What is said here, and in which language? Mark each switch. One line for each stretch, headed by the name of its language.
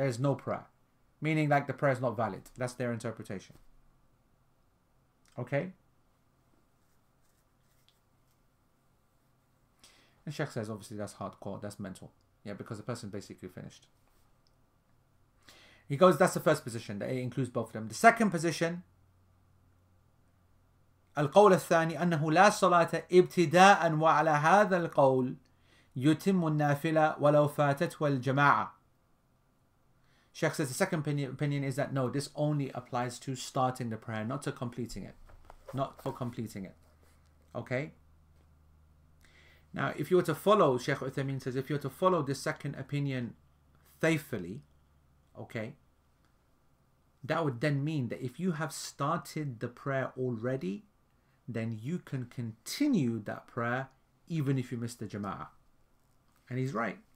English: There is no prayer. Meaning like the prayer is not valid. That's their interpretation. Okay? And Sheikh says, obviously that's hardcore, that's mental. Yeah, because the person basically finished. He goes, that's the first position, that it includes both of them. The second position,
Arabic: القول الثاني أنه لا صلاة ابتداء وعلى هذا القول يتم النافلة ولو فاتت والجماعة.
English: Sheikh says the second opinion is that no, this only applies to starting the prayer, not to completing it. Not for completing it. Okay? Now, if you were to follow, Sheikh Uthaymeen says, if you were to follow the second opinion faithfully, okay, that would then mean that if you have started the prayer already, then you can continue that prayer even if you miss the jama'ah. And he's right.